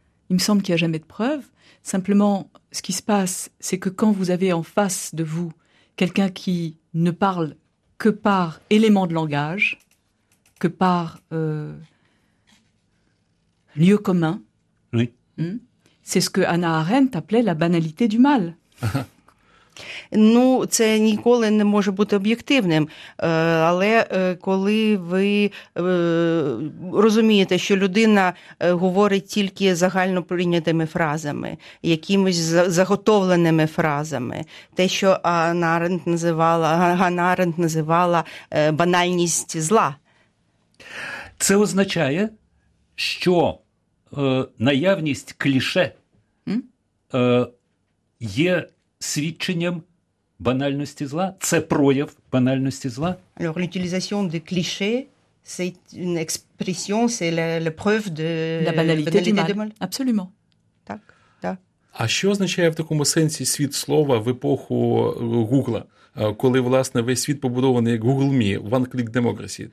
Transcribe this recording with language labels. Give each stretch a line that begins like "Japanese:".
French: Il me semble qu'il n'y a jamais de preuve. Simplement, ce qui se passe, c'est que quand vous avez en face de vous quelqu'un qui ne parle que par éléments de langage, que par lieu commun. Oui. C'est ce que Hannah Arendt appelait la banalité du mal.
Ukrainian: Ну, це ніколи не може бути об'єктивним, але коли ви розумієте, що людина говорить тільки загально прийнятими фразами, якимись заготовленими фразами, те, що Ганна Арендт називала банальність зла. Це означає, що наявність кліше є свідченням банальності зла? Це прояв банальності зла?
French: Alors, l'utilisation de cliché, c'est une expression, c'est la preuve de la banalité du mal. Absolument.
Ukrainian: Так, да. А що означає в такому сенсі світ слова в епоху Гугла? Коли, власне, весь світ побудований як Google Me, One Click Democracy.